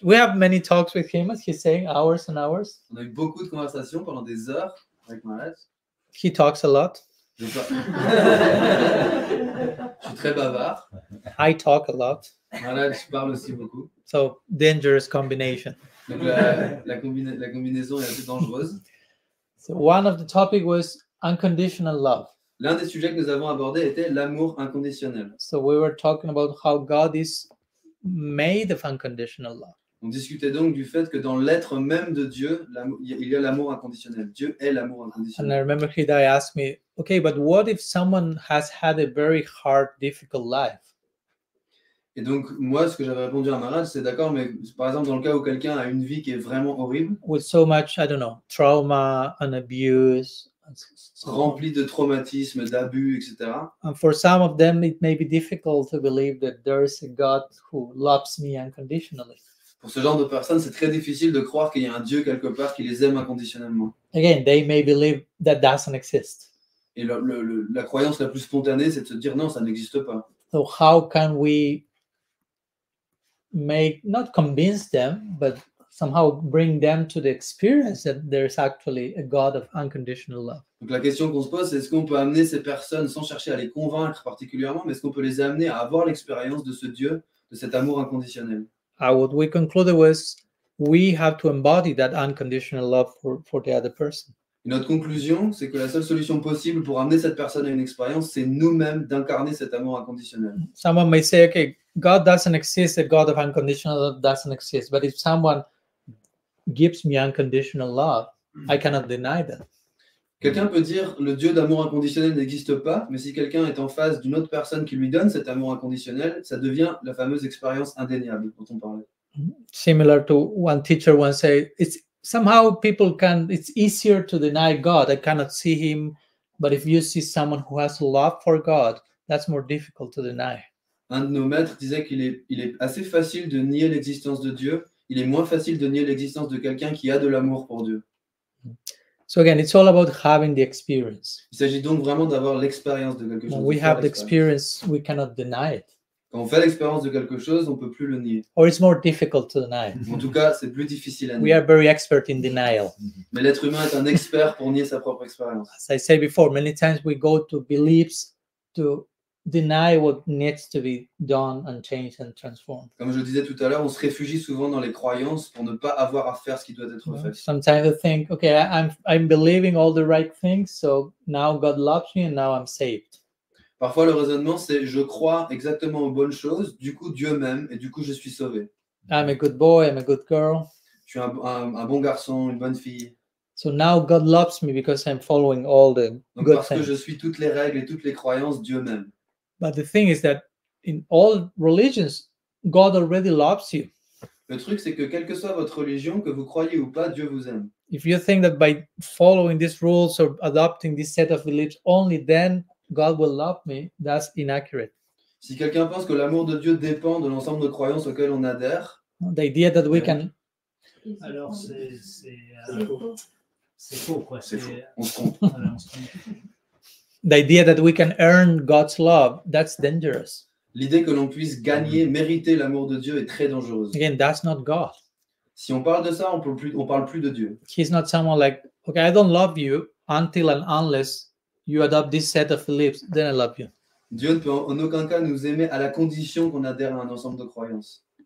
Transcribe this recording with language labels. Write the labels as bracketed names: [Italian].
[English] We have many talks with him, as he's saying, hours and hours. [French] On a eu beaucoup de conversations pendant des heures avec Maharaj. [English] He talks a lot. [French] Je suis très bavard. [English] I talk a lot. [French] Maharaj parle aussi beaucoup. [English] So dangerous combination. [French] Donc la combinaison est assez dangereuse. [English] So one of the topic was unconditional love. [French] L'un des sujets que nous avons abordé était l'amour inconditionnel. [English] So we were talking about how God is made of unconditional love. [French] On discutait donc du fait que dans l'être même de Dieu, il y a l'amour inconditionnel. Dieu est l'amour inconditionnel. [English] And I remember Hriday asked me, okay, but what if someone has had a very hard, difficult life? [French] Et donc moi, ce que j'avais répondu à Maharaj, c'est d'accord, mais par exemple dans le cas où quelqu'un a une vie qui est vraiment horrible. [English] With so much, I don't know, trauma and abuse. [French] Rempli de traumatismes, d'abus, etc. [English] And for some of them, it may be difficult to believe that there is a God who loves me unconditionally. [French] Pour ce genre de personnes, c'est très difficile de croire qu'il y a un Dieu quelque part qui les aime inconditionnellement. [English] Again, they may believe that doesn't exist. [French] Et la croyance la plus spontanée, c'est de se dire non, ça n'existe pas. [English] So how can we make, not convince them, but somehow bring them to the experience that there is actually a God of unconditional love. [French] Donc la question qu'on se pose, c'est est-ce qu'on peut amener ces personnes, sans chercher à les convaincre particulièrement, mais est-ce qu'on peut les amener à avoir l'expérience de ce Dieu, de cet amour inconditionnel? [English] What we concluded was, we have to embody that unconditional love for the other person. [French] Et notre conclusion, c'est que la seule solution possible pour amener cette personne à une expérience, c'est nous-mêmes d'incarner cet amour inconditionnel. [English] Someone may say, okay, God doesn't exist, a God of unconditional love doesn't exist. But if someone gives me unconditional love, I cannot deny that. [French] Quelqu'un peut dire le Dieu d'amour inconditionnel n'existe pas, mais si quelqu'un est en face d'une autre personne qui lui donne cet amour inconditionnel, ça devient la fameuse expérience indéniable dont on parlait. [English] Similar to one teacher once said, it's somehow people can, it's easier to deny God. I cannot see him, but if you see someone who has love for God, that's more difficult to deny. [French] Un de nos maîtres disait qu'il est, il est assez facile de nier l'existence de Dieu. Il est moins facile de nier l'existence de quelqu'un qui a de l'amour pour Dieu. [English] So again, it's all about having the experience. [French] Il s'agit donc vraiment d'avoir l'expérience de quelque chose. [English] When we have the experience, we cannot deny it. [French] Quand on fait l'expérience de quelque chose, on ne peut plus le nier. [English] Or it's more difficult to deny. [French] En tout cas, c'est plus difficile à nier. [English] We are very expert in denial. [French] Mais l'être humain est un expert pour nier sa propre expérience. [English] As I said before, many times we go to beliefs to deny what needs to be done and changed and transformed. [French] Comme je disais tout à l'heure, on se réfugie souvent dans les croyances pour ne pas avoir à faire ce qui doit être fait. [English] Sometimes I think, okay, I'm believing all the right things, so now God loves me and now I'm saved. [French] Parfois le raisonnement c'est je crois exactement aux bonnes choses, du coup Dieu m'aime et du coup je suis sauvé. [English] I'm a good boy, I'm a good girl. [French] Je suis un bon garçon, une bonne fille. [English] So now God loves me because I'm following all the [French] Donc, [English] good [French] parce [English] things. [French] Que je suis toutes les règles et toutes les croyances, Dieu m'aime. [English] But the thing is that in all religions, God already loves you. [French] Le truc c'est que quelle que soit votre religion, que vous croyez ou pas, Dieu vous aime. [English] If you think that by following these rules or adopting this set of beliefs, only then God will love me, that's inaccurate. [French] Si quelqu'un pense que l'amour de Dieu dépend de l'ensemble de croyances auxquelles on adhère, [English] the idea that we can. [French] Alors c'est faux. C'est faux, quoi. C'est faux. On se trompe. Alors, on se trompe. [English] The idea that we can earn God's love, that's dangerous. [French] L'idée que l'on puisse gagner, mériter l'amour de Dieu est très dangereuse. [English] Again, that's not God. [French] Si on parle de ça, on parle plus de Dieu. [English] He's not someone like, okay, I don't love you until and unless you adopt this set of beliefs, then I love you. [French] Dieu ne peut en aucun cas nous aimer à la condition qu'on adhère à un ensemble de croyances.